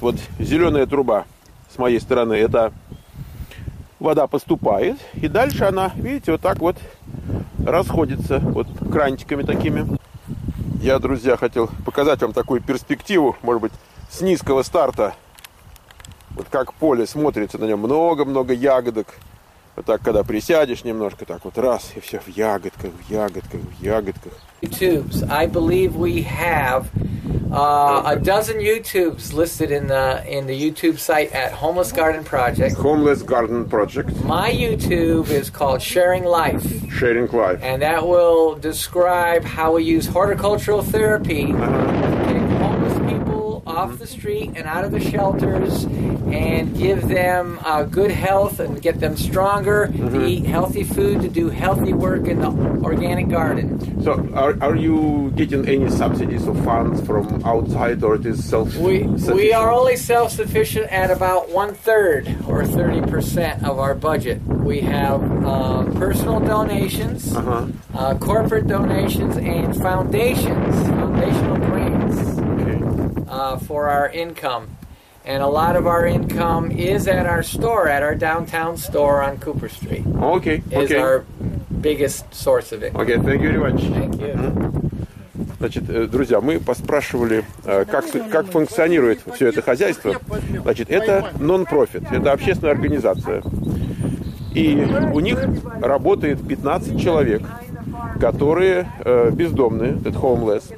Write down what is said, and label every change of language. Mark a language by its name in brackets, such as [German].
[Russian] Вот зеленая труба с моей стороны, это вода поступает, и дальше она, видите, вот так вот расходится, вот крантиками такими. Я, друзья, хотел показать вам такую перспективу, может быть, с низкого старта. Вот как поле смотрится, на нем много-много ягодок. Вот так, когда присядешь немножко, так вот раз, и все в ягодках, в ягодках, в ягодках. [English] YouTubes. I believe we have a dozen YouTubes listed in the YouTube site at Homeless Garden Project. Homeless Garden Project. My YouTube is called Sharing Life. Sharing Life. And that will describe how we use horticultural therapy to take homeless people off the street and out of the shelters and give them good health and get them stronger, to eat healthy food, to do healthy work in the organic garden. So are you getting any subsidies or funds from outside, or it is self-sufficient? We are only self-sufficient at about 1/3 or 30% of our budget. We have personal donations, corporate donations, and foundational grants for our income. And a lot of our income is at our store, at our downtown store on Cooper Street. Okay. Is our biggest source of income. Okay, thank you very much. Thank you. [Russian] Значит, друзья, мы поспрашивали, как функционирует все это хозяйство. Значит, это нон-профит, это общественная организация. И у них работает 15 человек, которые бездомные, это homeless.